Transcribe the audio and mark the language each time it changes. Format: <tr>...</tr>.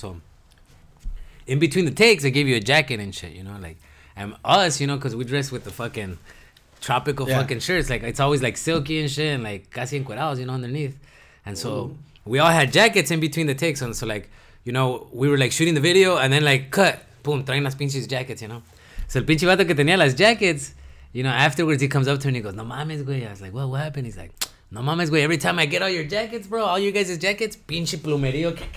<en>So, in between the takes, they give you a jacket and shit, you know, like, and us, you know, because we dress with the fucking tropical fucking shirts, like, it's always like silky and shit, and like,</en> <es>casi encuerados,</es> <en>you know, underneath. And so, we all had jackets in between the takes. And so, like, you know, we were like shooting the video, and then, like, cut, boom,</en> <es>traen las pinches jackets,</es> <en>you know.</en> <es>So, el pinche vato que tenía las jackets.</es> <en>You know, afterwards, he comes up to me and he goes,</en> <es>"No mames, güey."</es> <en>I was like, "What happened?" He's like, "No mames, güey. Every time I get all your jackets, bro, all you guys' jackets,</en> <es>pinche plumerio.</es>